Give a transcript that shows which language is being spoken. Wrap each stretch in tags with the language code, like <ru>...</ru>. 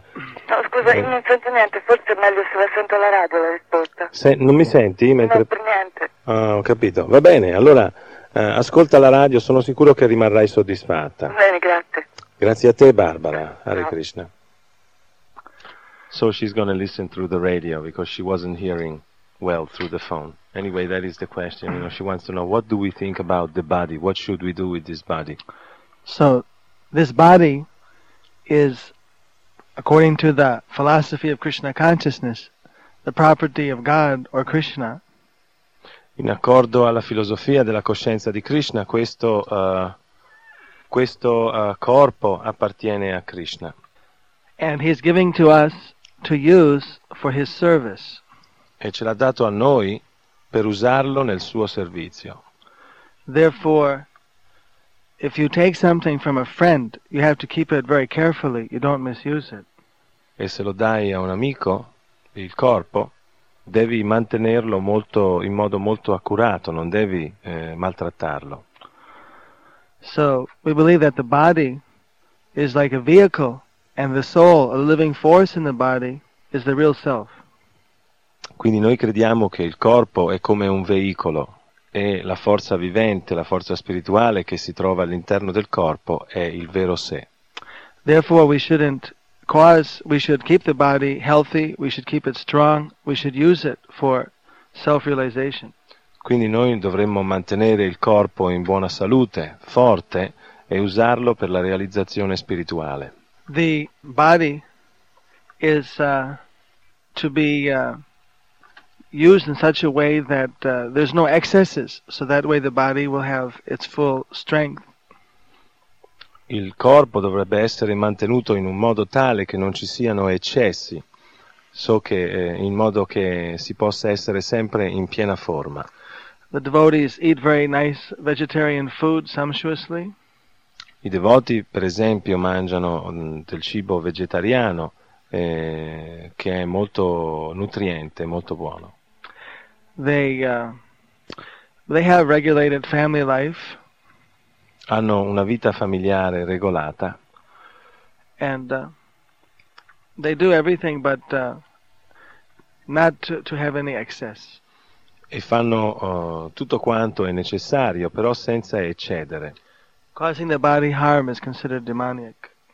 <it>No, scusa, io non sento niente, forse è meglio se la sento la radio la risposta. Non mi senti? Mentre... Non per niente. Ah, ho capito. Va bene, allora ascolta la radio, sono sicuro che rimarrai soddisfatta. Va bene, grazie. Grazie a te, Barbara. Hare Krishna.</it> <en>So she's going to listen through the radio because she wasn't hearing well through the phone. Anyway, that is the question. You know, she wants to know, what do we think about the body? What should we do with this body? So, this body is, according to the philosophy of Krishna consciousness, the property of God or Krishna.</en> <it>In accordo alla filosofia della coscienza di Krishna, questo corpo appartiene a Krishna.</it> <en>And he's giving to us to use for his service.</en> <it>E ce l'ha dato a noi per usarlo nel suo servizio.</it> <en>Therefore, if you take something from a friend, you have to keep it very carefully, you don't misuse it.</en> <it>E se lo dai a un amico, il corpo, devi mantenerlo molto, in modo molto accurato, non devi maltrattarlo.</it> <en>So, we believe that the body is like a vehicle, and the soul, a living force in the body, is the real self.</en> <it>Quindi noi crediamo che il corpo è come un veicolo E la forza vivente, la forza spirituale che si trova all'interno del corpo è il vero sé.</it> <en>Therefore we shouldn't cause, we should keep the body healthy, we should keep it strong, we should use it for self-realization.</en> <it>Quindi noi dovremmo mantenere il corpo in buona salute, forte, e usarlo per la realizzazione spirituale.</it> <en>The body is to be used in such a way that there's no excesses, so that way the body will have its full strength.</en> <it>Il corpo dovrebbe essere mantenuto in un modo tale che non ci siano eccessi, so che in modo che si possa essere sempre in piena forma.</it> <en>The devotees eat very nice vegetarian food sumptuously.</en> <it>I devoti, per esempio, mangiano del cibo vegetariano che è molto nutriente, molto buono.</it> <en>They have regulated family life.</en> <it>Hanno una vita familiare regolata.</it> <en>And they do everything but not to have any excess.</en> <it>E fanno tutto quanto è necessario, però senza eccedere.</it> <en>Causing the body harm is considered demoniac.</en>